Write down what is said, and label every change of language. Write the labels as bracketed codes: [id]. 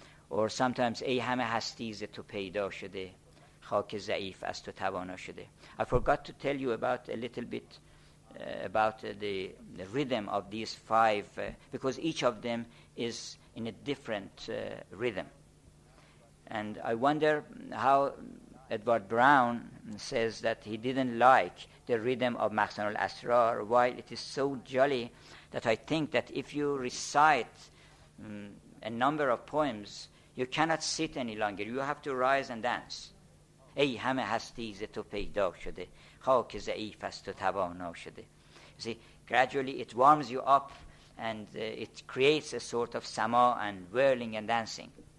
[en] Or sometimes, [fa] ای همه هستی ز تو پیدا شده، خاک ضعیف از تو توانا شده. [en] I forgot to tell you about a little bit about the rhythm of these five, because each of them is in a different rhythm. And I wonder how Edward Brown says that he didn't like the rhythm of Mahzan al-Asrar, while it is so jolly that I think that if you recite a number of poems, you cannot sit any longer. You have to rise and dance. [fa] ای همه هستی ز تو پیدا شده خاک ضعیف است تو توانا شده. [en] You see, gradually it warms you up and it creates a sort of sama and whirling and dancing.